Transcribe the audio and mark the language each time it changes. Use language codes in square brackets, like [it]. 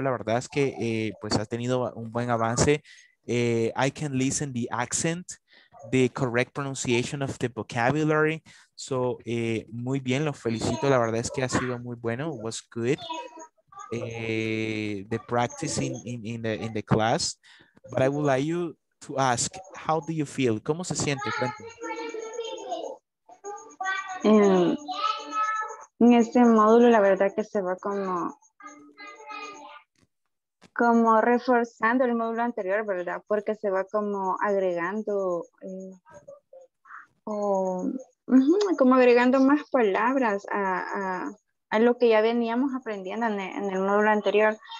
[es] La verdad es que pues has tenido un buen avance. [en] I can listen the accent, the correct pronunciation of the vocabulary. [es] So, muy bien, lo felicito. La verdad es que ha sido muy bueno. [en] It was good. The practice in the class. But I would like you to ask, how do you feel? [es] ¿Cómo se siente? En este módulo, la verdad que se va como reforzando el módulo anterior, ¿verdad? Porque se va como agregando más palabras a lo que ya veníamos aprendiendo en el módulo anterior.